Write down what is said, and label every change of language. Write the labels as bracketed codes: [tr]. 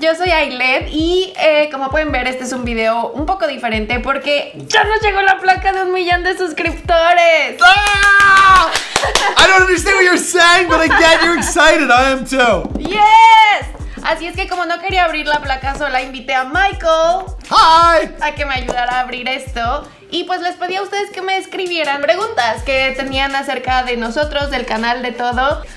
[es] Yo soy Ailed y como pueden ver, este es un video un poco diferente porque ya nos llegó la placa de 1,000,000 de suscriptores. [en] ¡Ah! I don't understand what you're saying, but I get you're excited. I am too. ¡Yes! [es] Así es que como no quería abrir la placa sola, invité a Michael. [en] ¡Hi! [es] A que me ayudara a abrir esto. Y pues les pedí a ustedes que me escribieran preguntas que tenían acerca de nosotros, del canal, de todo.